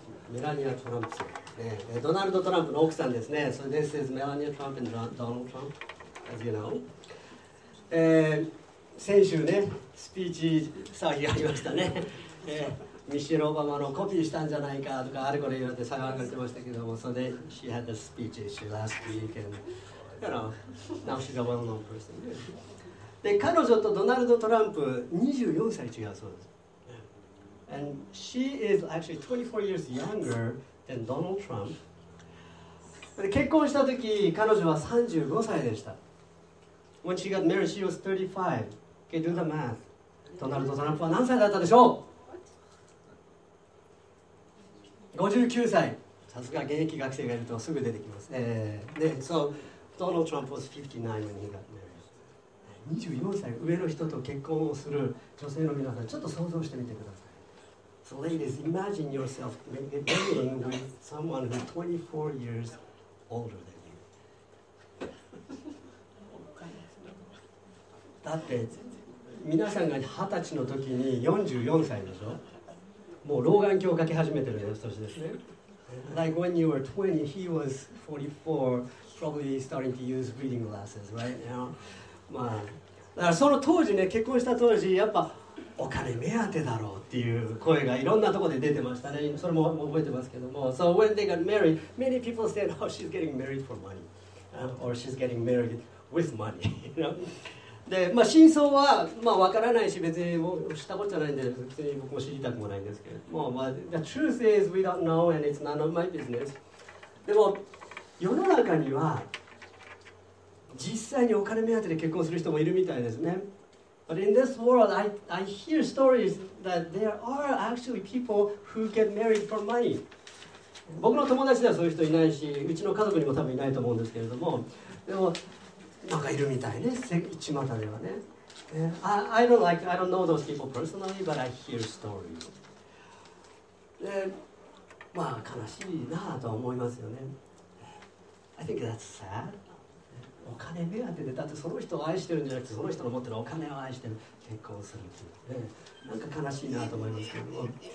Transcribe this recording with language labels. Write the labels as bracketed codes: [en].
[ja] メラニア・トランプさん、ドナルド・トランプの奥さんですね。 [en] So this is Melania Trump and Donald Trump, as you know. [ja] 先週ね、スピーチ騒ぎがありましたね。ミシェル・オバマのコピーしたんじゃないかとかあれこれ言われて騒がれてましたけども、 [en] So then she had a speech issue last week and, you know, now she's a well-known person. [ja] で、彼女とドナルド・トランプ24歳違うそうです。 [en] And she is actually 24 years younger than Donald Trump. [ja] 結婚した時彼女は35歳でした。 [en] When she got married, she was 35. Okay, do the math. [ja] ドナルド・トランプは何歳だったでしょう？ 59歳。さすが現役学生がいるとすぐ出てきます。で、 [en] So Donald Trump was 59 when he got married. [ja] 24歳、上の人と結婚をする女性の皆さん、ちょっと想像してみてください。 [en] So ladies, imagine yourself dating with someone who's 24 years older than you. [ja] だって皆さんが20歳の時に44歳でしょ。もう老眼鏡をかけ始めてるよ、年ですね。 [en] Like when you were 20, he was 44, probably starting to use reading glasses, right? You know? [ja] まあ、だからその当時ね、結婚した当時、やっぱお金目当てだろうっていう声がいろんなところで出てましたね。それも覚えてますけども。 [en] So when they got married, many people said, oh, she's getting married for money. Or she's getting married with money, you know? [ja] で、まあ、真相はまあ分からないし、別にもう知ったことじゃないんで、別に僕も知りたくもないんですけれども、まあ、 [en] The truth is we don't know and it's none of my business. [ja] でも、世の中には実際にお金目当てで結婚する人もいるみたいですね。 [en] But in this world, I hear stories that there are actually people who get married for money. [ja] 僕の友達ではそういう人いないし、うちの家族にも多分いないと思うんですけれども、でも、なんかいるみたいね、巷ではね。 [en] I don't know those people personally, but I hear stories. [ja] で、まあ悲しいなぁとは思いますよね。 [en] I think that's sad. [ja] お金目当てで、だってその人を愛してるんじゃなくて、その人の持ってるお金を愛してる、結婚するっていう、ね。なんか悲しいなぁと思いますけども。